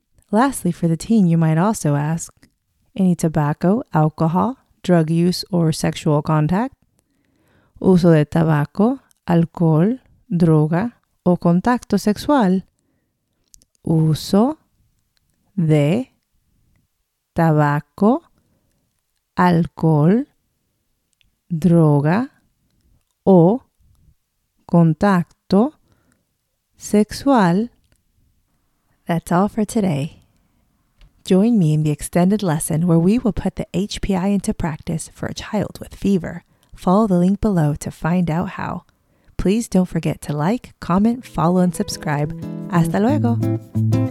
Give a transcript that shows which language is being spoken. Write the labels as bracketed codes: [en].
[en] Lastly, for the teen, you might also ask, any tobacco, alcohol, drug use, or sexual contact? [es] ¿Uso de tabaco, alcohol, droga o contacto sexual? ¿Uso de tabaco, alcohol, droga o contacto sexual? [en] That's all for today. Join me in the extended lesson where we will put the HPI into practice for a child with fever. Follow the link below to find out how. Please don't forget to like, comment, follow, and subscribe. [es] Hasta luego!